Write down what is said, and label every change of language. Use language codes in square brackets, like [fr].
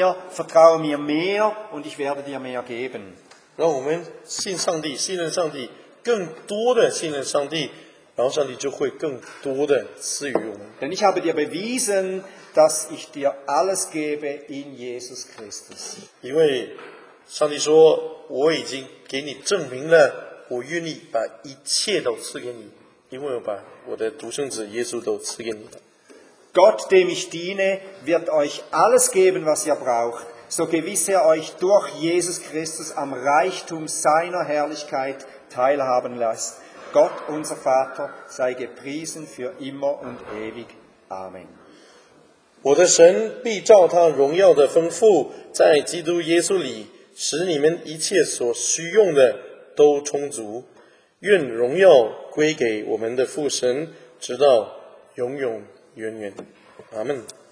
[de] Vertraue mir mehr und ich werde dir mehr geben. [zh] 让我们信上帝，信任上帝，更多的信任上帝，然后上帝就会更多的赐予我们。 [de] Denn ich habe dir bewiesen, dass ich dir alles gebe in Jesus Christus. [zh] 因为上帝说，我已经给你证明了，我愿意把一切都赐给你，因为我把我的独生子耶稣都赐给你。 [de] Gott, dem ich diene, wird euch alles geben, was ihr braucht. So gewiss er euch durch Jesus Christus am Reichtum seiner Herrlichkeit teilhaben lässt. Gott, unser Vater, sei gepriesen für immer und ewig. Amen. [zh] 我的神必照他荣耀的丰富，在基督耶稣里，使你们一切所需用的都充足。愿荣耀归给我们的父神，直到永永远远。阿门。